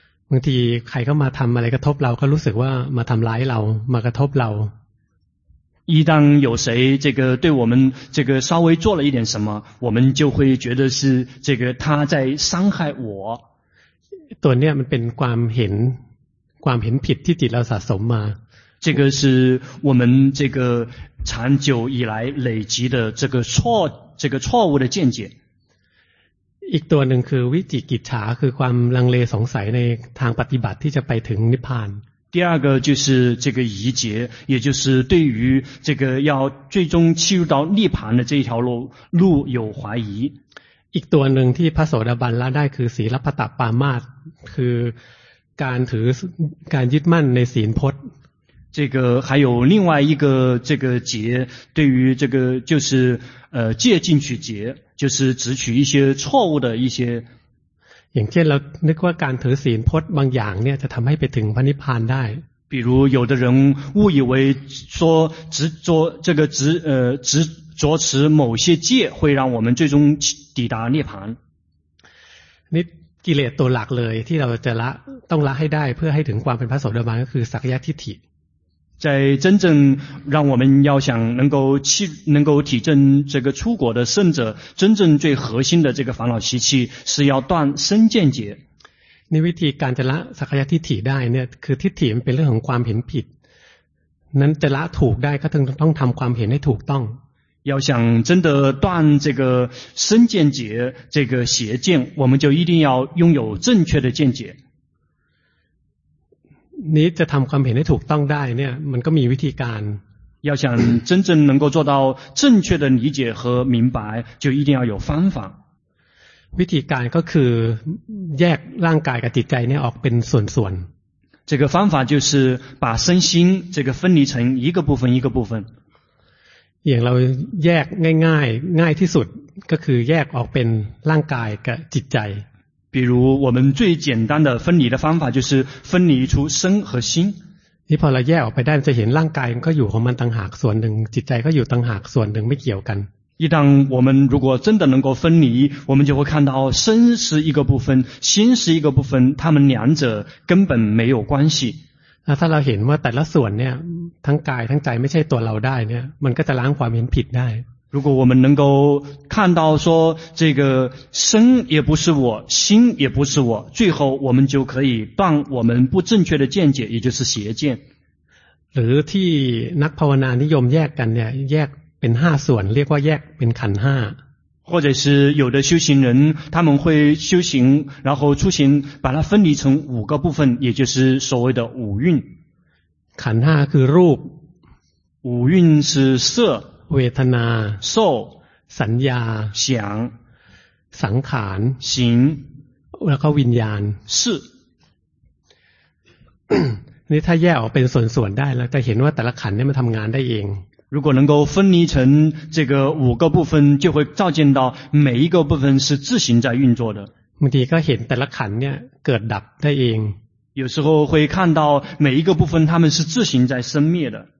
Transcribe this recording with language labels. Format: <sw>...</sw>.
<th>บางทีใครเข้ามาทำอะไรกระทบเราก็รู้สึกว่ามาทำร้ายเรามากระทบเรา</th> <zh>一旦有谁这个对我们这个稍微做了一点什么我们就会觉得是这个他在伤害我</zh> <th>ตัวเนี้ยมันเป็นความเห็นผิดที่จิตเราสะสมมา</th> <zh>这个是我们这个长久以来累积的这个错误的见解</zh> <th>อีกตัวหนึ่งคือวิจิกิจฉาคือความลังเลสงสัยในทางปฏิบัติที่จะไปถึงนิพพาน</th> <zh>第二个就是这个疑结也就是对于这个要最终契入到涅槃的这一条路有怀疑</zh> <th>อีกตัวหนึ่งที่พระโสดาบันละได้คือศีลัพพตปามาสคือการถือการยึดมั่นในศีลพจน์</th> <zh>这个还有另外一个这个结对于这个就是戒禁取结就是执取一些错误的一些</zh> <th>อย่างเช่นเรานึกว่าการถือศีลพจน์บางอย่างเนี่ยจะทำให้ไปถึงพระนิพพานได้</th> <zh>比如有的人误以为说执着这个执着持某些戒会让我们最终抵达涅槃</zh> <th>นี่กิเลสตัวหลักเลยที่เราจะละต้องละให้ได้เพื่อให้ถึงความเป็นพระโสดาบันก็คือสักกายทิฏฐิ</th> <zh>在真正让我们要想能够体证这个出果的圣者真正最核心的这个烦恼习气是要断身见解</zh> <th>ในวิธีการจะละสักกายทิฏฐิได้เนี่ยคือทิฏฐิมันเป็นเรื่องของความเห็นผิดนั้นจะละถูกได้ก็ต้องทำความเห็นให้ถูกต้อง</th> <zh>要想真的断这个身见解这个邪见我们就一定要拥有正确的见解</zh> <th>นี้จะทำความเห็นให้ถูกต้องได้เนี่ยมันก็มีวิธีการ</th> <zh>要想真正能够做到正确的理解和明白就一定要有方法</zh> <th>วิธีการก็คือแยกร่างกายกับจิตใจเนี่ยออกเป็นส่วน</th> <zh>ๆ这个方法就是把身心这个分离成一个部分一个部分</zh> <th>อย่างเราแยกง่ายที่สุดก็คือแยกออกเป็นร่างกายกับจิตใจ</th> <zh>比如我们最简单的分离的方法就是分离出身和心</zh> <th>นี่พอเราแยกออกไปได้จะเห็นร่างกายก็อยู่ของมันต่างหากส่วนหนึ่งจิตใจก็อยู่ต่างหากส่วนหนึ่งไม่เกี่ยวกัน</th> <zh>一旦我们如果真的能够分离我们就会看到身是一个部分心是一个部分他们两者根本没有关系</zh> <th>ถ้าเราเห็นว่าแต่ละส่วนเนี่ยทั้งกายทั้งใจไม่ใช่ตัวเราได้เนี่ยมันก็จะล้างความเห็นผิดได้</th> <zh>如果我们能够看到说这个身也不是我，心也不是我，最后我们就可以断我们不正确的见解，也就是邪见。</zh> <th>หรือที่นักภาวนานิยมแยกกันเนี่ยแยกเป็นห้าส่วนเรียกว่าแยกเป็นขันห้า</th> <zh>或者是有的修行人他们会修行然后出行把它分离成五个部分也就是所谓的五蕴</zh> <th>ขันห้าคือรูป</th> <zh>五蕴是色</zh> <th>เวทนา</th> <zh>受</zh> <th>สัญญา</th> <zh>想</zh> <th>สังขาร</th> <zh>行</zh> <th>แล้วก็วิญญาณ</th> <zh>是</zh> <th>นี่ถ้าแยกออกเป็นส่วนๆได้แล้วจะเห็นว่าแต่ละขันธ์เนี่ยมันทำงานได้เอง</th> <zh>如果能够分离成这个五个部分就会照见到每一个部分是自行在运作的</zh> <th>บางทีก็เห็นแต่ละขันธ์เนี่ยเกิดดับได้เอง</th> <zh>有时候会看到每一个部分他们是自行在生灭的</zh>